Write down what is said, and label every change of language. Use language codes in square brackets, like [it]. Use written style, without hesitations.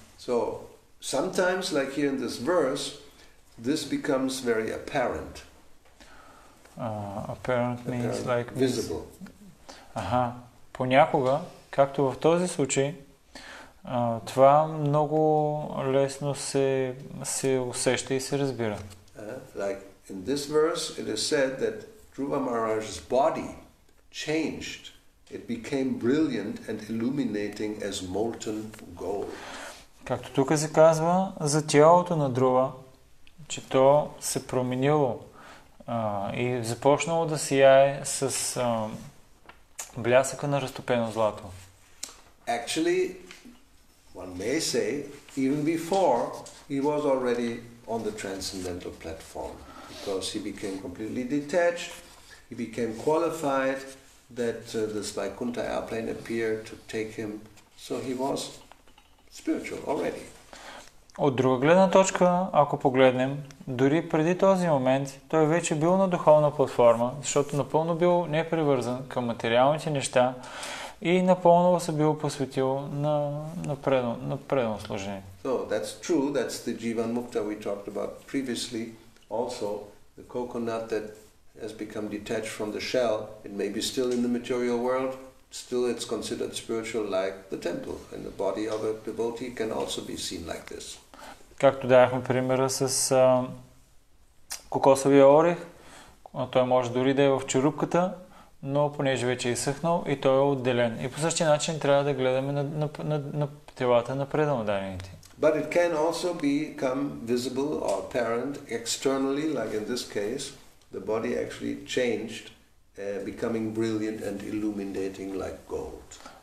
[en] So sometimes, like here in this verse, this becomes very apparent. Apparent means apparent, like visible. [bg] Понякога, както в този случай, това много лесно се усеща и се разбира. [en] Like in this verse, it is said that Dhruva Maharaj's body changed. It became brilliant and illuminating as molten gold. [bg] Както тук се казва за тялото на Друва, че то се променило и започнало да сияе с блясъка на разтопено злато. [en] Actually, one may say, even before he was already on the transcendental platform, because he became completely detached, he became qualified, that this Vaikuntha airplane appeared to take him, so he was spiritual already. [bg] От друга гледна точка, ако погледнем, дори преди този момент, той вече бил на духовна платформа, защото напълно бил непривързан към материалните неща и напълно се бил посветил на предно служение. [en] So that's true, that's the Jivan Mukta we talked about previously. Also, the coconut that has become detached from the shell, it may be still in the material world. Still it's considered spiritual like the temple and the body of a devotee can also be seen like this. [bg] Както дадохме примера с кокосовия орех, той може дори да е в черупката, но понеже вече е изсъхнал и той е отделен. И по същия начин трябва да гледаме на телата на предамоданите. [en] But it can also become visible or apparent externally, like in this case, the body actually changed, becoming brilliant and illuminating like gold.